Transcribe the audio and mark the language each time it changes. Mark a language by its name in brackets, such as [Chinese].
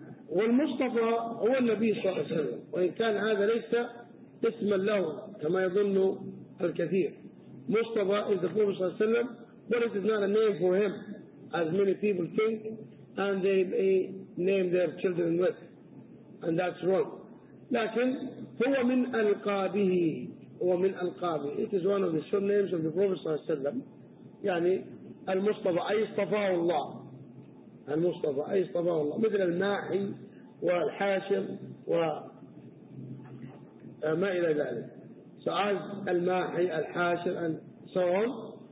[Arabic] والمصطفى هو النبي صلى الله عليه وسلم. وإن كان هذا ليس اسما له كما يظن الكثير. [English] مصطفى is the Prophet [Arabic] صلى الله عليه وسلم, [English] but it is not a name for him, as many people think, and they may name their children with. And that's wrong. [Arabic] لكن هو من ألقابه ومن ألقابه. [English] It is one of the surnames of the Prophet [Arabic] صلى الله عليه وسلم. يعني المصطفى أي اصطفاه الله. المصطفى أي اصطفاه الله. مثل الماحي والحاشم وما إلى ذلك. [English] So as الماحي الحاشم and so on.